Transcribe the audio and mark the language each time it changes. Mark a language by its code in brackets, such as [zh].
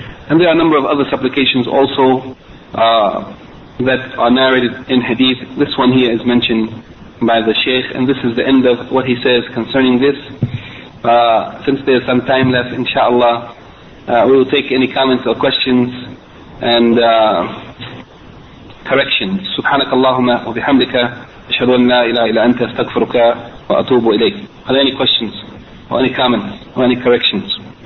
[en] And there are a number of other supplications also that are narrated in hadith. This one here is mentioned by the Shaykh, and this is the end of what he says concerning this. Since there is some time left, inshallah, we will take any comments or questions and corrections. [ar] سبحانك اللهم وبحمدك أشهد أن لا إله إلا أنت أستغفرك وأتوب إليك. [en] Are there any questions or any comments or any corrections?